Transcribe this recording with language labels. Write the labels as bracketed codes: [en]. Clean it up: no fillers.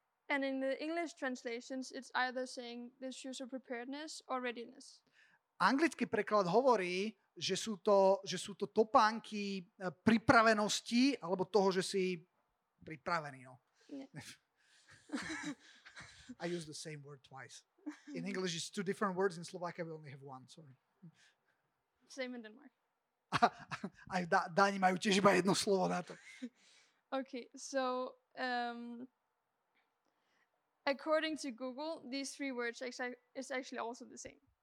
[en] And in the English translations it's either saying the shoes of preparedness or readiness. [sk] Anglický preklad hovorí, že sú to topánky pripravenosti alebo toho, že si pripravený, no. [en] Yeah. I use the same word twice. In English it's two different words, in Slovak I only have one, sorry. Same in Denmark. [sk] Aj Dáni majú tiež iba jedno slovo na to. [en] Okay, so according to Google, these three words is actually also the same.